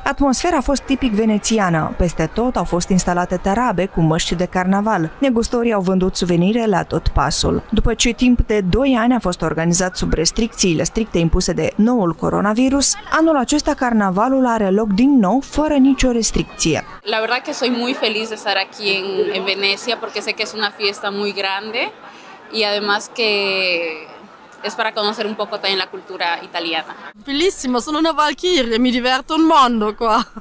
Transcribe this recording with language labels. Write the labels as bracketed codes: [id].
[ro] Atmosfera a fost tipic venețiană. Peste tot au fost instalate tarabe cu măști de carnaval. Negustorii au vândut suvenire la tot pasul. După ce timp de 2 ani a fost organizat sub restricțiile stricte impuse de noul coronavirus, anul acesta carnavalul are loc din nou fără nicio restricție. [es] La verdad que soy muy feliz de estar aquí en Venecia porque sé que es una fiesta muy grande y además que es para conocer un poco también la cultura italiana. [it] Bellissimo, sono una valchiria, mi diverto un mondo qua.